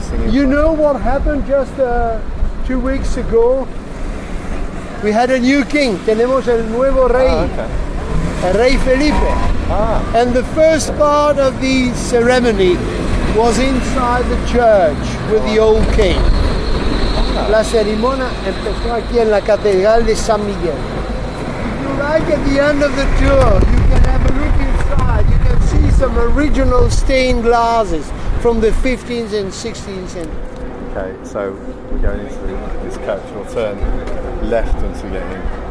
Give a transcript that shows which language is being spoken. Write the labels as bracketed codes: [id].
[en] You know what happened just 2 weeks ago? We had a new king. [es] Tenemos el nuevo rey. [en] Okay. Rey Felipe. And the first part of the ceremony was inside the church with the old king. [es] La ceremonia empezó aquí en la Catedral de San Miguel. [en] If you like at the end of the tour, you can have a look inside. You can see some original stained glasses from the 15th and 16th century. Okay, so we're going into this coach. We'll turn left once we get in.